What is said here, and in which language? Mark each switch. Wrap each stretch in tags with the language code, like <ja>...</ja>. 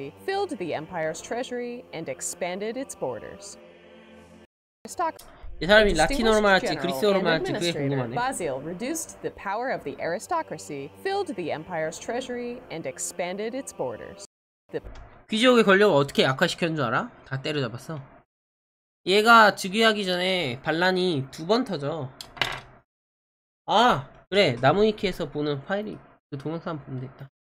<en>Filled the empire's treasury and expanded its borders.</en> <ko>이 사람이 라틴어로 말할지 그리스어로 말할지 그게 궁금하네.</ko> <en>Basil reduced the power of the aristocracy, filled the empire's treasury and expanded its borders.</en> <ko>귀족의 권력을 어떻게 약화시켰는 줄 알아? 다 때려잡았어. 얘가 즉위하기 전에 반란이 두 번 터져. 아 그래, 나무위키에서 보는 파일이 그 동영상 한번 보면 되겠다.</ko>